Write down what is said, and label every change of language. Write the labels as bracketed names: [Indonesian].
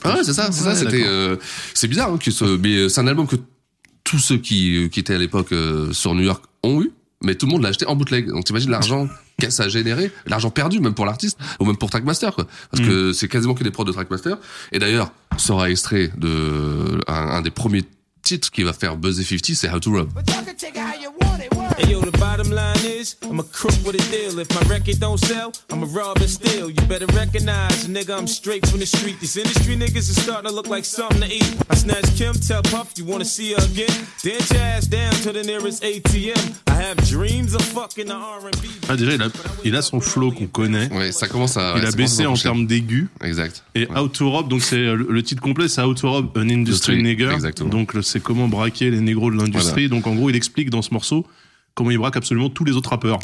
[French] Ah ouais, c'est ça, ouais, c'était, c'est bizarre, hein, mais c'est un album que tous ceux qui étaient à l'époque, sur New York ont eu, mais tout le monde l'a acheté en bootleg. Donc, t'imagines l'argent que ça a généré, l'argent perdu, même pour l'artiste, ou même pour Trackmaster, quoi. Parce que c'est quasiment que des prods de Trackmaster. Et d'ailleurs, sera extrait de un des premiers titre qui va faire buzzer 50, c'est How to Rob. [English] Hey yo, the bottom line is, I'm a crook with a deal. If my record don't sell, I'm a robber still. You better recognize, nigga, I'm straight from the street. These industry niggas are starting to look like something to eat. I snatch Kim, tell Puff, you wanna see her again? Dance your ass down to the nearest ATM. I have dreams of fucking the R&B. [French] Ah, déjà, il a son flow qu'on connaît. Ouais, ça commence à. Il a baissé en termes d'aigu. Exact. Et How to Rob, donc c'est le titre complet, c'est How to Rob, an industry nigger. Exactement. Donc c'est comment braquer les négros de l'industrie. Voilà. Donc en gros, il explique dans ce morceau comment il braque absolument tous les autres rappeurs.